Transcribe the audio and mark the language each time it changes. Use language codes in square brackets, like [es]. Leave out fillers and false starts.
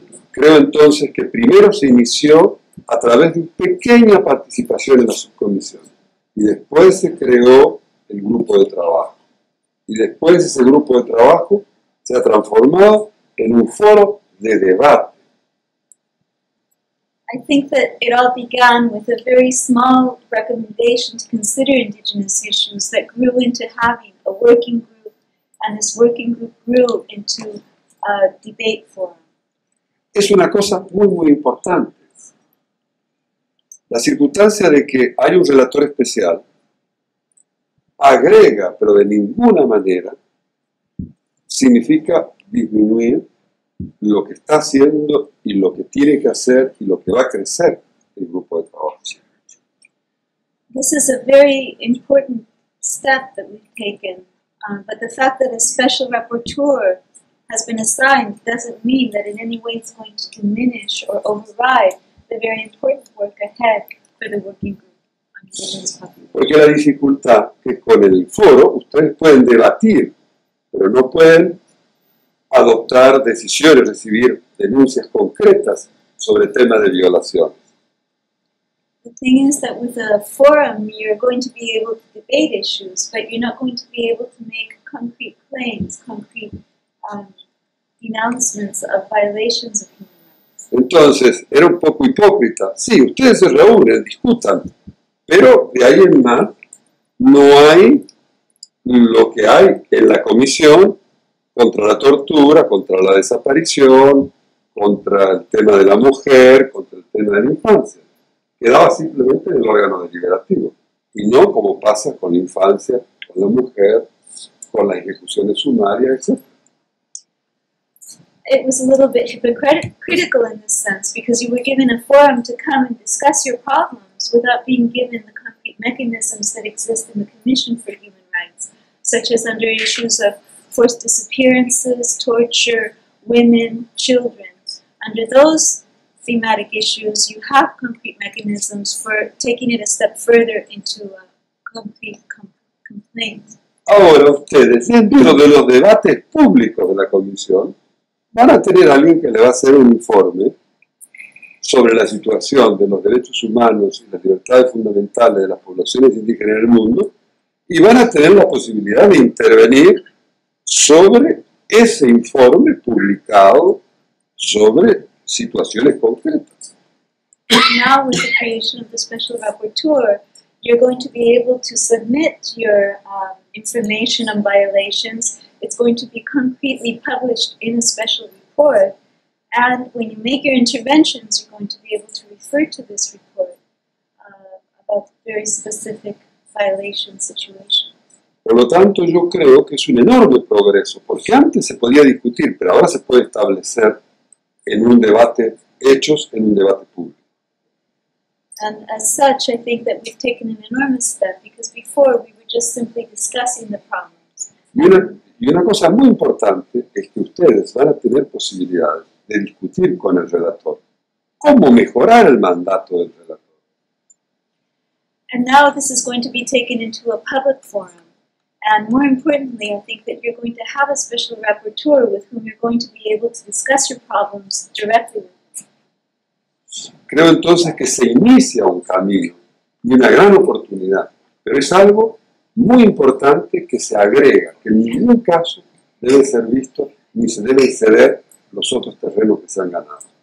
[es] Creo entonces que primero se inició a través de una pequeña participación en la subcomisión y después se creó el grupo de trabajo. Y después ese grupo de trabajo se ha transformado en un foro de debate. [en] I think that it all began with a very small recommendation to consider indigenous issues that grew into having a working group, and this working group grew into a debate forum. [es] Es una cosa muy, muy importante. La circunstancia de que hay un relator especial agrega, pero de ninguna manera, significa disminuir lo que está haciendo y lo que tiene que hacer y lo que va a crecer el grupo de trabajo. [en] This is a very important step that we've taken, but the fact that a special rapporteur has been assigned doesn't mean that in any way it's going to diminish or override the very important work ahead for the working group. [es] Porque la dificultad es que con el foro ustedes pueden debatir, pero no pueden adoptar decisiones, recibir denuncias concretas sobre temas de violación. [en] The thing is that with a forum you're going to be able to debate issues, but you're not going to be able to make concrete claims, concrete denouncements of violations of human rights. [es] Entonces, era un poco hipócrita. Sí, ustedes se reúnen, discutan. Pero de ahí en más, no hay lo que hay en la comisión contra la tortura, contra la desaparición, contra el tema de la mujer, contra el tema de la infancia. Quedaba simplemente en el órgano deliberativo. Y no como pasa con la infancia, con la mujer, con las ejecuciones sumarias, etc. [en] It was a little bit hypocritical in this sense, because you were given a forum to come and discuss your problems without being given the concrete mechanisms that exist in the Commission for Human Rights, such as under issues of forced disappearances, torture, women, children. Under those thematic issues, you have concrete mechanisms for taking it a step further into a concrete complaint. [es] Ahora ustedes, dentro de los debates públicos de la Comisión, van a tener a alguien que le va a hacer un informe sobre la situación de los derechos humanos y las libertades fundamentales de las poblaciones indígenas en el mundo y van a tener la posibilidad de intervenir sobre ese informe publicado sobre situaciones concretas. [en] Now with the creation of the special rapporteur, you're going to be able to submit your information on violations. It's going to be concretely published in a special report, and when you make your interventions, you're going to be able to refer to this report about very specific violation situations. [es] Por lo tanto, yo creo que es un enorme progreso, porque antes se podía discutir, pero ahora se puede establecer en un debate hechos, en un debate público. [en] And as such, I think that we've taken an enormous step, because before we were just simply discussing the problems. [es] Y una cosa muy importante es que ustedes van a tener posibilidad de discutir con el relator cómo mejorar el mandato del relator. [en] And now this is going to be taken into a public forum. And more importantly, I think that you're going to have a special rapporteur with whom you're going to be able to discuss your problems directly. [es] Creo entonces que se inicia un camino y una gran oportunidad, pero es algo muy importante que se agrega, que en ningún caso debe ser visto ni se deben ceder los otros terrenos que se han ganado.